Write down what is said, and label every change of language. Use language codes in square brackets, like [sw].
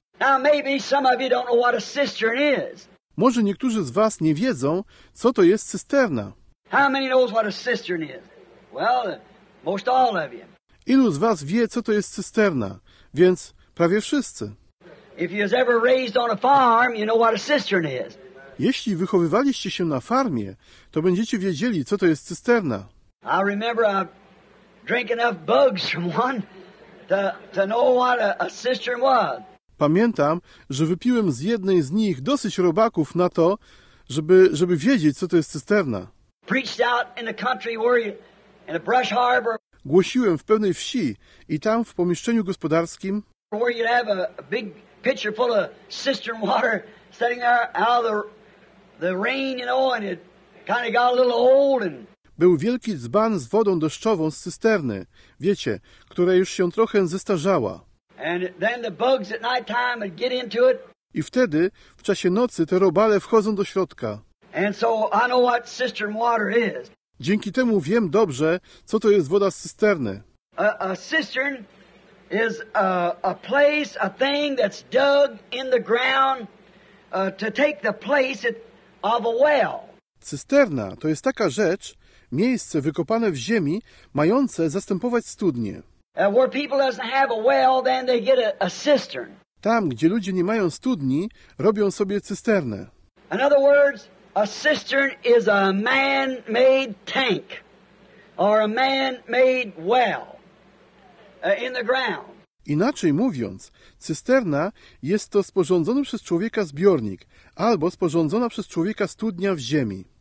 [en] Now maybe some of you don't know what a cistern is. [pl] Może niektórzy z was nie wiedzą, co to jest cisterna. [en] How many knows what a cistern is? Well, most all of you. [pl] Ilu z was wie, co to jest cisterna? Więc prawie wszyscy. [en] If you've ever raised on a farm, you know what a cistern is. [pl] Jeśli wychowywaliście się na farmie, to będziecie wiedzieli, co to jest cisterna. [en] I remember I drank enough bugs from one to know what a cistern was. [pl] Pamiętam, że wypiłem z jednej z nich dosyć robaków na to, żeby wiedzieć, co to jest cisterna. [en] Preached out in the country where you, in a brush harbor. [pl] Głosiłem w pewnej wsi i tam w pomieszczeniu gospodarskim. [en] Where you'd have a big pitcher full of cistern water sitting there out of the rain, you know, and it kind of got a little old and. [pl] Był wielki dzban z wodą deszczową z cysterny, wiecie, która już się trochę zestarzała. [en] And then the bugs at night time would get into it. [pl] I wtedy, w czasie nocy, te robale wchodzą do środka. [en] And so I know what cistern water is. [pl] Dzięki temu wiem dobrze, co to jest woda z cysterny. [en] A cistern is a place, a thing that's dug in the ground to take the place of a well. [pl] Cysterna to jest taka rzecz, miejsce wykopane w ziemi, mające zastępować studnie. [en] Where people doesn't have a well, then they get a cistern. [pl] Tam, gdzie ludzie nie mają studni, robią sobie cysternę. [en] In other words, a cistern is a man-made tank or a man-made well in the ground. [pl] Inaczej mówiąc, cysterna jest to sporządzony przez człowieka zbiornik albo sporządzona przez człowieka studnia w ziemi.